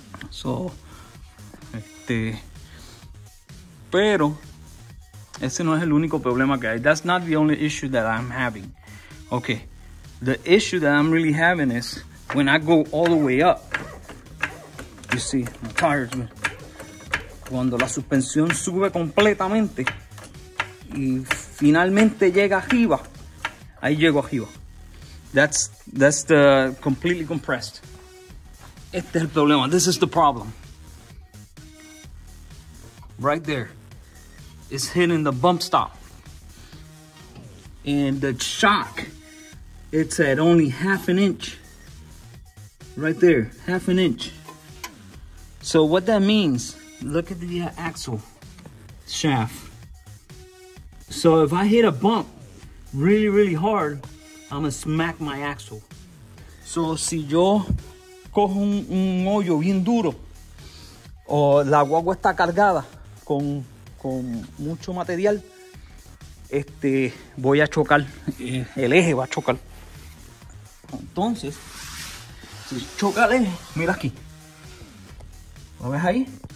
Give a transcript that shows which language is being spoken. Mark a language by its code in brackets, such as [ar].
[es] So, pero ese no es el único problema que hay. [en] That's not the only issue that I'm having. Okay, the issue that I'm really having is when I go all the way up. You see, my tires, man. [es] Cuando la suspensión sube completamente y finalmente llega arriba, ahí llego arriba. [en] That's the completely compressed. [es] Este es el problema. [en] This is the problem. Right there. It's hitting the bump stop. And the shock, it's at only half an inch. Right there, half an inch. So what that means, look at the axle shaft. So if I hit a bump really, really hard, I'm gonna smack my axle. [es] So si yo cojo un hoyo bien duro, o la guagua está cargada con mucho material, voy a chocar, el eje va a chocar. Entonces, si choca el eje, mira aquí. ¿Lo ves ahí?